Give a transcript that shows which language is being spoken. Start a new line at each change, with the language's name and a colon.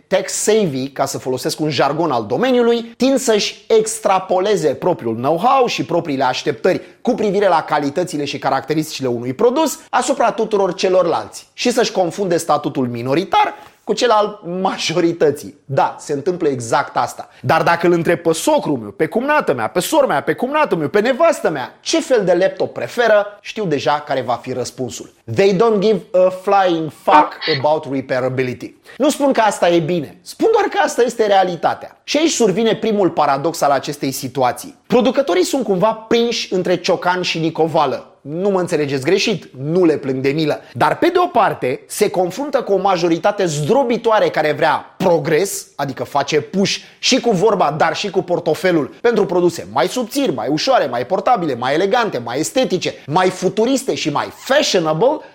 Romanian: tech-savvy, ca să folosesc un jargon al domeniului, tind să-și extrapoleze propriul know-how și propriile așteptări cu privire la calitățile și caracteristicile unui produs asupra tuturor celorlalți și să-și confunde statutul minoritar cu cel al majorității. Da, se întâmplă exact asta. Dar dacă îl întreb pe socrul meu, pe cumnată mea, pe sora mea, pe cumnatul meu, pe nevastă mea, ce fel de laptop preferă, știu deja care va fi răspunsul.
English: They don't give a flying fuck about repairability.
Romanian: Nu spun că asta e bine, spun doar că asta este realitatea. Și aici survine primul paradox al acestei situații. Producătorii sunt cumva prinși între ciocan și nicovală. Nu mă înțelegeți greșit, nu le plâng de milă. Dar pe de o parte, se confruntă cu o majoritate zdrobitoare care vrea progres, adică face push și cu vorba, dar și cu portofelul, pentru produse mai subțiri, mai ușoare, mai portabile, mai elegante, mai estetice, mai futuriste și mai fashionable.